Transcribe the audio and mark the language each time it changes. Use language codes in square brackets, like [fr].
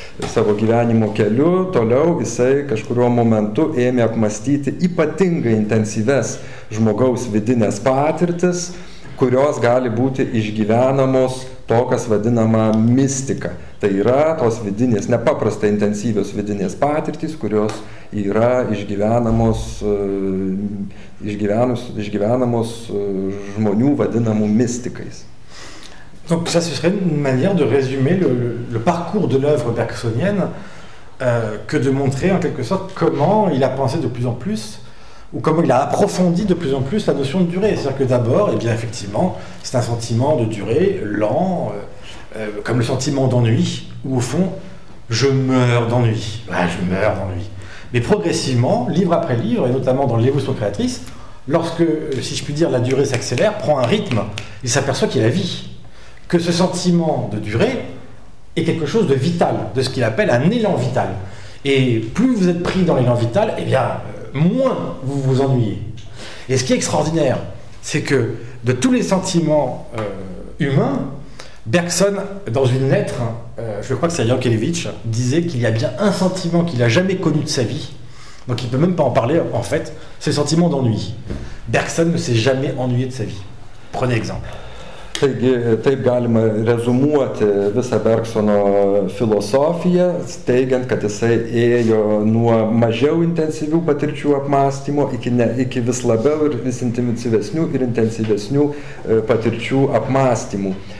[lt] savo gyvenimo keliu, toliau jisai kažkuriuo momentu ėmė apmastyti ypatingai intensyves žmogaus vidinės patirtis, kurios gali būti išgyvenamos to, kas vadinama mistika. Tai yra tos vidinės, nepaprastai intensyvios vidinės patirtis, kurios yra išgyvenamos žmonių vadinamų mystikais. [fr] Donc ça ce serait une manière de résumer le parcours de l'œuvre bergsonienne que de montrer en quelque sorte comment il a pensé de plus en plus ou comment il a approfondi de plus en plus la notion de durée. C'est-à-dire que d'abord, eh bien effectivement, c'est un sentiment de durée lent comme le sentiment d'ennui où au fond je meurs d'ennui. Ouais, je meurs d'ennui. Mais progressivement, livre après livre, et notamment dans l'Évolution créatrice, lorsque, si je puis dire, la durée s'accélère, prend un rythme, il s'aperçoit qu'il y a la vie, que ce sentiment de durée est quelque chose de vital, de ce qu'il appelle un élan vital. Et plus vous êtes pris dans l'élan vital, eh bien, moins vous vous ennuyez. Et ce qui est extraordinaire, c'est que de tous les sentiments humains, Bergson, dans une lettre, je crois que c'est Yankelevitch, disait qu'il y a bien un sentiment qu'il n'a jamais connu de sa vie, donc il ne peut même pas en parler, en fait, c'est le sentiment d'ennui. Bergson ne s'est jamais ennuyé de sa vie. Prenez exemple. [lt] Taigi, taip galima rezumuoti visą Bergsono filosofiją, teigiant, kad jisai ėjo nuo mažiau intensyvių patirčių apmąstymo iki, ne, iki vis labiau ir vis intensyvesnių ir intensyvesnių patirčių apmąstymų.